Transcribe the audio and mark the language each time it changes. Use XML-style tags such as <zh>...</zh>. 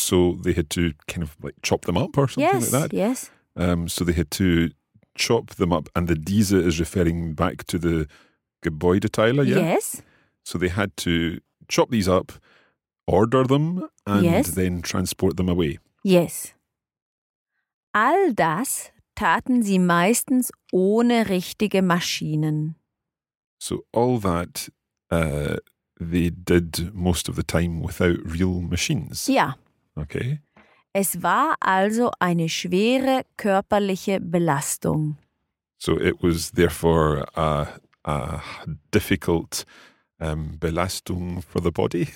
<en>So they had to kind of like chop them up or something like that? Yes, yes. So they had to chop them up, and the diese is referring back to the Gebäudeteile, yeah? Yes. So they had to chop these up, order them, and then transport them away. Yes.</en> <de>All das taten sie meistens ohne richtige Maschinen.</de> <en>So all that they did most of the time without real machines. Ja. Okay.</en> <de>Es war also eine schwere körperliche Belastung.</de> <en>So it was therefore a difficult Belastung for the body?</en>